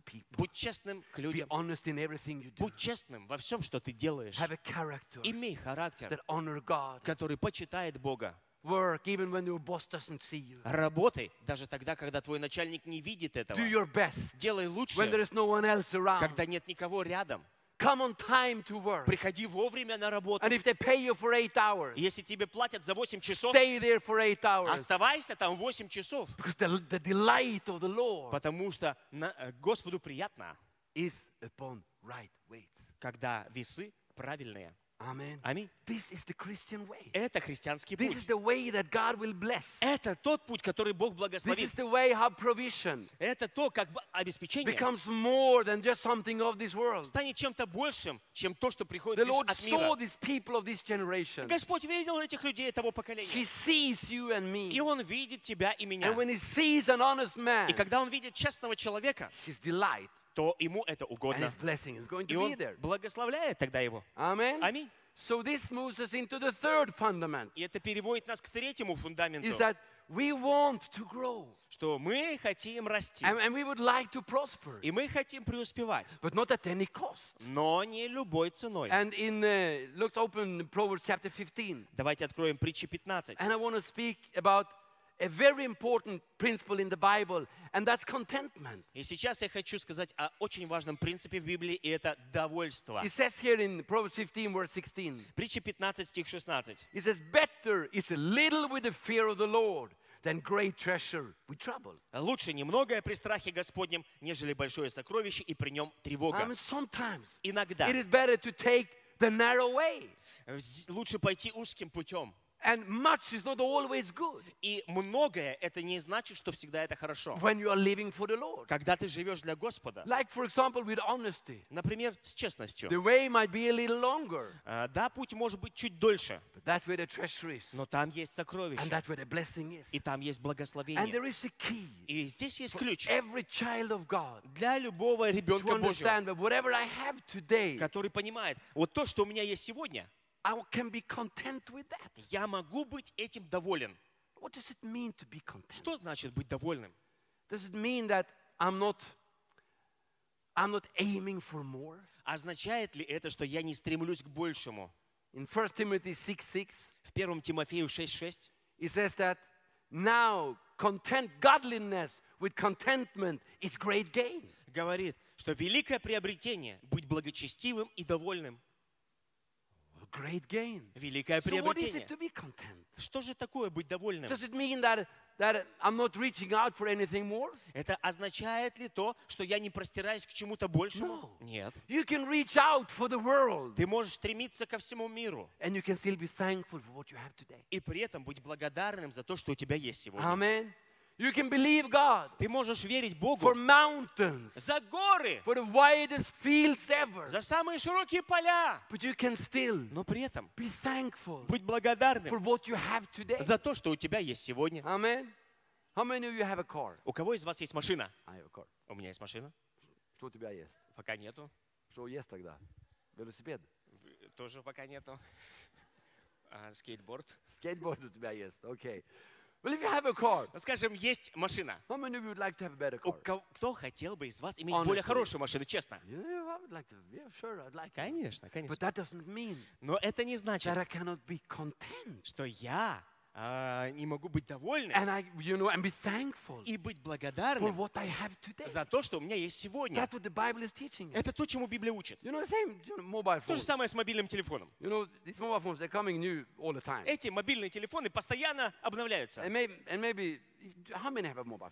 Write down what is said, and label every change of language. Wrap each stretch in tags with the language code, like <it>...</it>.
<ru>Будь честным к людям. Будь честным во всем, что ты делаешь. Имей характер, который почитает Бога.</ru> <en>Work even when your boss doesn't see you.</en> <ru>Работай даже тогда, когда твой начальник не видит этого.</ru> <en>Do your best.</en> <ru>Делай лучше.</ru> <en>When there is no one else around.</en> <ru>Когда нет никого рядом.</ru> <en>Come on time to work.</en> <ru>Приходи вовремя на работу.</ru> <en>And if they pay you for 8 hours.</en> <ru>Если тебе платят за 8 часов.</ru> <en>Stay there for 8 hours.</en> <ru>Оставайся там 8 часов.</ru> <en>Because the delight of the Lord.</en> <ru>Потому что Господу приятно.</ru> <en>Is upon right weights.</en> <ru>Когда весы правильные. Аминь. Это христианский путь.</ru> <en>This is the way that God will bless.</en> <ru>Это тот путь, который Бог благословит.</ru> <en>This is the way how provision.</en> <ru>Это то, как обеспечение.</ru> <en>Becomes more than just something of this world.</en> <ru>Станет чем-то большим, чем то, что приходит лишь от мира.</ru> <en>The Lord saw these people of this generation.</en> <ru>Господь видел этих людей того поколения.</ru> <en>He sees you and me.</en> <ru>И он видит тебя и меня.</ru> <en>And when he sees an honest man.</en> <ru>И когда он видит честного человека.</ru> <en>His delight.</en> <ru>То ему это угодно.</ru> <en>And his blessing is going to be there.</en> <ru>И он благословляет тогда его.</ru> <en>Amen.</en> <ru>Аминь.</ru> <en>So this moves us into the third fundament.</en> <ru>И это переводит нас к третьему фундаменту.</ru> <en>Is that we want to grow.</en> <ru>Что мы хотим расти.</ru> <en>And we would like to prosper.</en> <ru>И мы хотим преуспевать.</ru> <en>But not at any cost.</en> <ru>Но не любой ценой.</ru> <en>And in let's open Proverbs chapter 15.</en> <ru>Давайте откроем притчи 15.</ru> <en>And I want to speak about a very important principle in the Bible, and that's contentment.</en> <ru>И сейчас я хочу сказать о очень важном принципе в Библии, и это довольство.</ru> <en>It says here in Proverbs 15, verse 16.</en> <ru>Притча 15, стих 16.</ru> <en>It says, "Better is a little with the fear of the Lord than great treasure with trouble."</en> <ru>Лучше немногое при страхе Господнем, нежели большое сокровище и при нем тревога.</ru> <en>And sometimes,</en> <ru>иногда,</ru> <en>it is better to take the narrow way.</en> <ru>Лучше пойти узким путем.</ru> <en>And much is not always good.</en> <ru>И многое это не значит, что всегда это хорошо.</ru> <en>When you are living for the Lord.</en> <ru>Когда ты живешь для Господа.</ru> <en>Like for example with honesty.</en> <ru>Например, с честностью.</ru> <en>The way might be a little longer.</en> <ru>Да, путь может быть чуть дольше.</ru> <en>But that's where the treasure is.</en> <ru>Но там есть сокровище.</ru> <en>And that's where the blessing is.</en> <ru>И там есть благословение.</ru> <en>And there is a key.</en> <ru>И здесь есть ключ.</ru> <en>Every child of God.</en> <ru>Для любого ребенка Божьего.</ru> <en>To understand that whatever I have today.</en> <ru>Который понимает, вот то, что у меня есть сегодня.</ru> <en>I can be content with that.</en> <ru>Я могу быть этим доволен.</ru> <en>What does it mean to be content?</en> <ru>Что значит быть довольным?</ru> <en>Does it mean that I'm not aiming for more?</en> <ru>Означает ли это, что я не стремлюсь к большему?</ru> <en>In 1 Timothy 6:6.</en> <ru>В 1 Тимофею 6:6.</ru> <en>It says that now content godliness with contentment is great gain.</en> <ru>Говорит, что великое приобретение быть благочестивым и довольным.</ru> <en>great gain.</en> <ru>Великое приобретение.</ru> <en>So what is it to be content?</en> <ru>Что же такое быть довольным?</ru> <en>Does it mean that I'm not reaching out for anything more?</en> <ru>Это означает ли то, что я не простираюсь к чему-то большему?</ru> <en>No.</en> <ru>Нет.</ru> <en>You can reach out for the world.</en> <ru>Ты можешь стремиться ко всему миру.</ru> <en>And you can still be thankful for what you have today.</en> <ru>И при этом быть благодарным за то, что у тебя есть сегодня.</ru> <en>Amen. You can believe God.</en> <ru>Ты можешь верить Богу.</ru> <en>For mountains.</en> <ru>За горы.</ru> <en>For the widest fields ever.</en> <ru>За самые широкие поля.</ru> <en>But you can still.</en> <ru>Но при этом.</ru> <en>Be thankful.</en> <ru>Быть благодарным.</ru> <en>For what you have today.</en> <ru>За то, что у тебя есть сегодня.</ru> <en>Amen. How many of you have a car?</en> <ru>У кого из вас есть машина?</ru> <en>I have a car.</en> <ru>У меня есть машина. Что у тебя есть? Пока нету. Что есть тогда? Велосипед. Тоже пока нету. Скейтборд. Скейтборд у тебя есть. Окей.</ru> <en>Well, if you have a car,</en> <ru>скажем, есть машина.</ru> <en>How many of you would like to have a better car?</en> <ru>Кто хотел бы из вас иметь Honestly. Более хорошую машину, честно?</ru> <en>Yeah, I would like to. Yeah, sure, I'd like.</en> <ru>Конечно, конечно.</ru> <en>But that doesn't mean.</en> <ru>Но это не значит.</ru> <en>That I cannot be content.</en> <ru>Что я не могу быть довольным.</ru> <en>And I, you know, and be thankful.</en> <ru>И быть благодарным.</ru> <en>For what I have today.</en> <ru>За то, что у меня есть сегодня.</ru> <en>That's what the Bible is teaching.</en> <ru>Это то, чему Библия учит.</ru> <en>You know, same, you know, mobile phones.</en> <ru>То же самое с мобильным телефоном.</ru> <en>You know, these mobile phones, they're coming new all the time.</en> <ru>Эти мобильные телефоны постоянно обновляются.</ru> <en>And maybe, how many have a mobile phone?</en>